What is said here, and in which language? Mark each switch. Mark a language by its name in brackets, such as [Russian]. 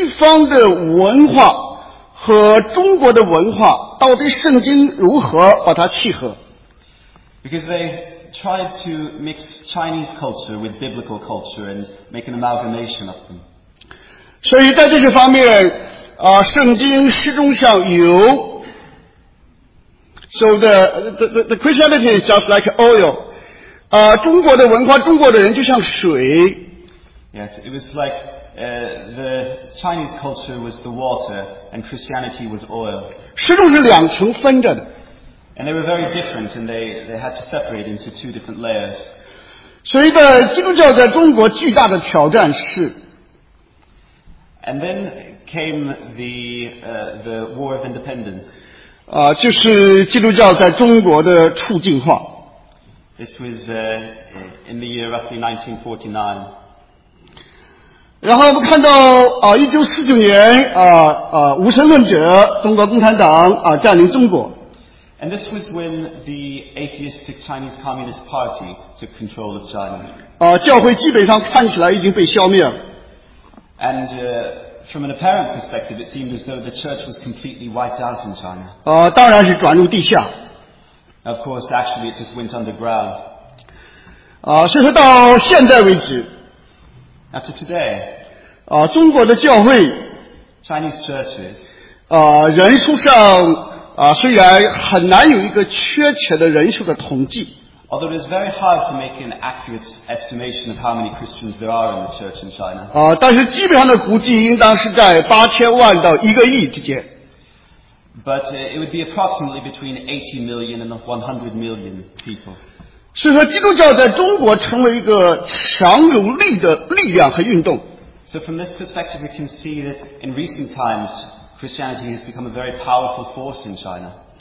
[Chinese] 是因为就说西方的文化, 和中国的文化, 到底圣经如何把它契合? [English] Because they tried to mix Chinese culture with biblical culture and make an amalgamation of them. [Chinese] 所以在这些方面, 圣经始终像油, [English] So the Christianity is just like oil. [Chinese] 中国的文化, 中国的人就像水。 [English] Yes, it was like the Chinese culture was the water and Christianity was oil. [Chinese] 始终是两层分着的。 [English] And they were very different and they had to separate into two different layers. [Chinese] 所以在基督教在中国巨大的挑战是。 [English] And then came the War of Independence. [Chinese] 就是基督教在中国的处境化。 [English] This was in the year roughly 1949. [Chinese] 然后我们看到 1949年 无神论者中国共产党占领中国。 [English] And this was when the atheistic Chinese Communist Party took control of China. [Chinese] 教会基本上看起来已经被消灭了。 [English] And from an apparent perspective, it seemed as though the church was completely wiped out in China. [Chinese] 当然是转入地下。 [English] Of course, actually, it just went underground. [Chinese] 甚至到现在为止。 [English] Up to today. [Chinese] 中国的教会 [English] Chinese churches [Chinese] 人数上 虽然很难有一个确切的人数的统计 [English] Although it is very hard to make an accurate estimation of how many Christians there are in the church in China [Chinese] 但是基本上的估计应当是在8000万到1亿之间 [English] But it would be approximately between 80 million and 100 million people [Chinese] 所以说基督教在中国成为一个强有力的力量和运动 [English] So from this perspective, we can see that in recent times, Christianity has become a very powerful force in China.